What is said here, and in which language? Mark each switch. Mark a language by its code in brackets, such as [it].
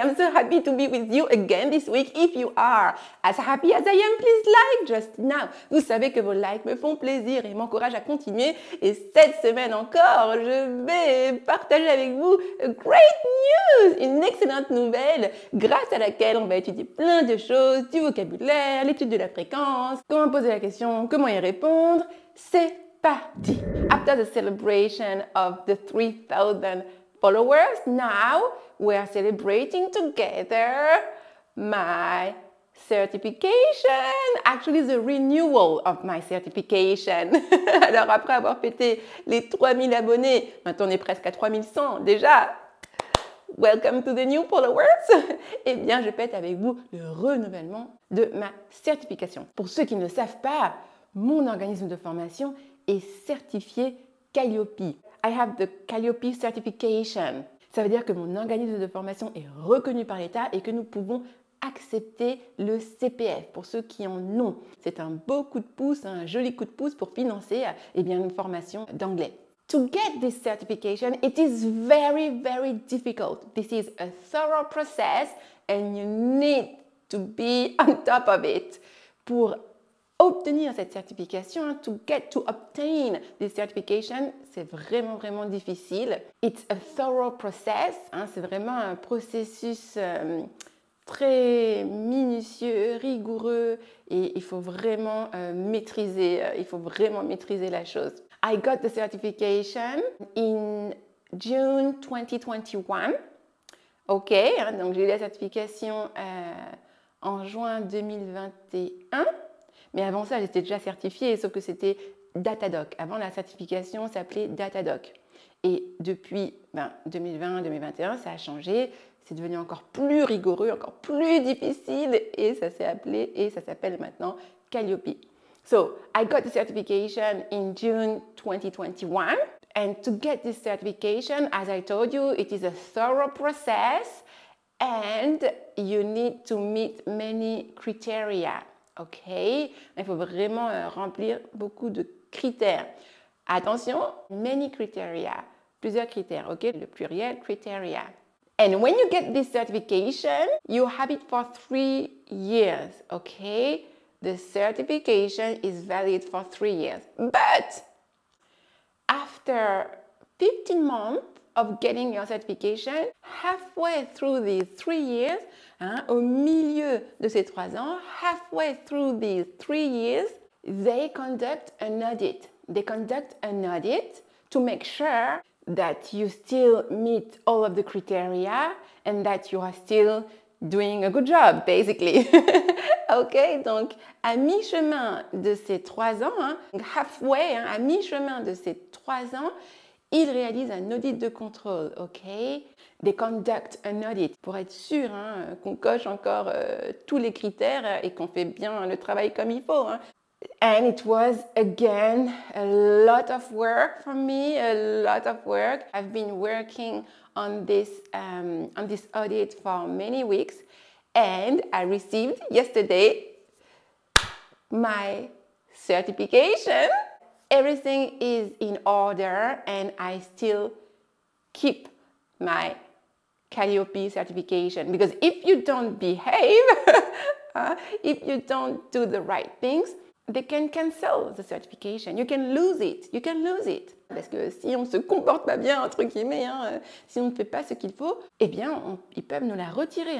[en] I'm so happy to be with you again this week. If you are as happy as I am, please like just now. [fr] Vous savez que vos likes me font plaisir et m'encouragent à continuer. Et cette semaine encore, je vais partager avec vous [en] great news, [fr] une excellente nouvelle grâce à laquelle on va étudier plein de choses, du vocabulaire, l'étude de la fréquence, comment poser la question, comment y répondre. C'est parti. [en] After the celebration of the 3,000 followers, now we are celebrating together my certification, actually the renewal of my certification. [fr] Alors après avoir fêté les 3000 abonnés, maintenant on est presque à 3100 déjà. [en] Welcome to the new followers. [fr] Eh bien, je fête avec vous le renouvellement de ma certification. Pour ceux qui ne savent pas, mon organisme de formation est certifié Calliope. [en] I have the Calliope certification. [fr] Ça veut dire que mon organisme de formation est reconnu par l'État et que nous pouvons accepter le CPF pour ceux qui en ont. C'est un beau coup de pouce, un joli coup de pouce pour financer eh bien, une formation d'anglais. [en] To get this certification, it is very, very difficult. This is a thorough process and you need to be on top of it. [fr] Pour obtenir cette certification, [en] to obtain this certification, [fr] c'est vraiment, vraiment difficile. [en] It's a thorough process, [fr] hein, c'est vraiment un processus très minutieux, rigoureux, et il faut vraiment maîtriser la chose. [en] I got the certification in June 2021. [fr] OK, donc j'ai eu la certification en juin 2021. Mais avant ça, j'étais déjà certifiée, sauf que c'était DataDoc. Avant, la certification s'appelait DataDoc. Et depuis 2020-2021, ça a changé. C'est devenu encore plus rigoureux, encore plus difficile. Et ça s'est appelé, et ça s'appelle maintenant Calliope. [en] So, I got the certification in June 2021. And to get this certification, as I told you, it is a thorough process. And you need to meet many criteria. [fr] OK, il faut vraiment remplir beaucoup de critères. Attention, [en] many criteria, [fr] plusieurs critères, OK, le pluriel criteria. [en] And when you get this certification, you have it for 3 years, OK? The certification is valid for 3 years. But after 15 months of getting your certification, halfway through these 3 years, hein, [fr] au milieu de ces 3 ans, [en] halfway through these 3 years, they conduct an audit. They conduct an audit to make sure that you still meet all of the criteria and that you are still doing a good job, basically. [fr] OK, donc à mi-chemin de ces 3 ans, hein, halfway, hein, à mi-chemin de ces 3 ans, il réalise un audit de contrôle, OK? [en] They conduct an audit. [fr] Pour être sûr hein, qu'on coche encore tous les critères et qu'on fait bien le travail comme il faut. Hein. [en] And it was, again, a lot of work for me, a lot of work. I've been working on this audit for many weeks. And I received yesterday my certification. Everything is in order and I still keep my Calliope certification. Because if you don't behave, if you don't do the right things, they can cancel the certification. You can lose it. You can lose it. [fr] Parce que si on ne se comporte pas bien, entre guillemets, hein, si on ne fait pas ce qu'il faut, eh bien, ils peuvent nous la retirer.